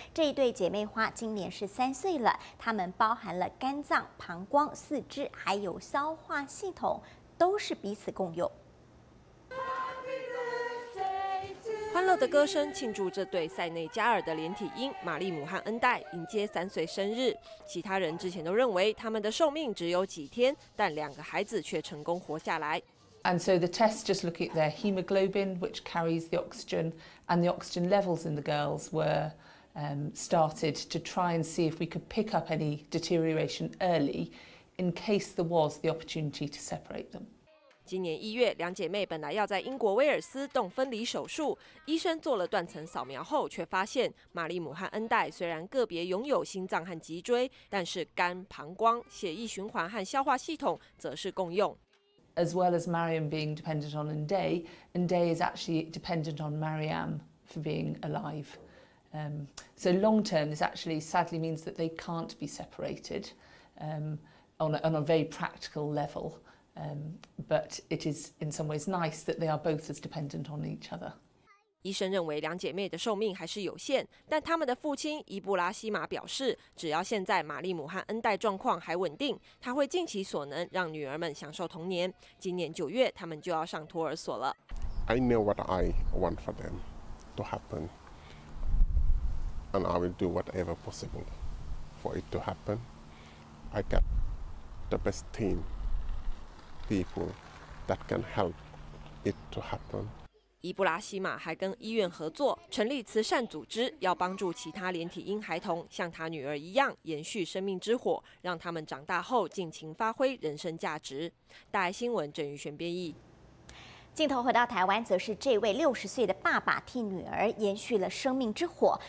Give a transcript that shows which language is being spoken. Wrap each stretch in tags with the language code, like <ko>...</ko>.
<zh>这一对姐妹花今年是3岁了，她们包含了肝脏、膀胱、四肢还有消化系统，都是彼此共用。欢乐的歌声庆祝这对塞内加尔的连体婴玛丽姆和恩戴迎接3岁生日。其他人之前都认为他们的寿命只有几天，但两个孩子却成功活下来。</zh> <en>And so the test just look at their hemoglobin, which carries the oxygen, and the oxygen levels in the girls were started to try and see if we could pick up any deterioration early, in case there was the opportunity to separate them.</en> <zh>今年1月，两姐妹本来要在英国威尔斯动分离手术，医生做了断层扫描后，却发现玛丽姆和恩戴虽然个别拥有心脏和脊椎，但是肝、膀胱、血液循环和消化系统则是共用。</zh> <en>As well as Mariam being dependent on Enday, Enday is actually dependent on Mariam for being alive. So long term, this actually sadly means that they can't be separated on a very practical level. But it is in some ways nice that they are both as dependent on each other.</en> <zh>医生认为两姐妹的寿命还是有限，但他们的父亲伊布拉西马表示，只要现在玛丽姆和恩代状况还稳定，他会尽其所能让女儿们享受童年。今年九月，他们就要上托儿所了。</zh> <en>I know what I want for them to happen, and I will do whatever possible for it to happen. I got the best team, people that can help it to happen.</en> <zh>伊布拉西马还跟医院合作，成立慈善组织，要帮助其他连体婴孩童像他女儿一样延续生命之火，让他们长大后尽情发挥人生价值。大爱新闻郑宇璇编译。镜头回到台湾，则是这位60岁的爸爸替女儿延续了生命之火。</zh>